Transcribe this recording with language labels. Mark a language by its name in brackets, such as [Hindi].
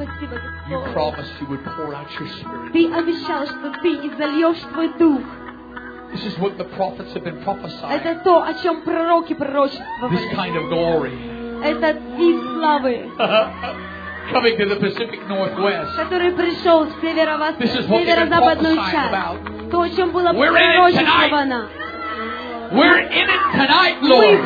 [Russian] Ты обещал, что ты изольешь твой дух. [English] This is what the prophets have been prophesying. [Russian] Это то, о чем пророки пророчествовали. [English] This kind of glory. [Russian] Это вид славы. [English] Coming to the Pacific Northwest. [Russian] Который пришел с северо-западную часть. То, о чем было пророчествовано. [English] We're in it tonight, Lord.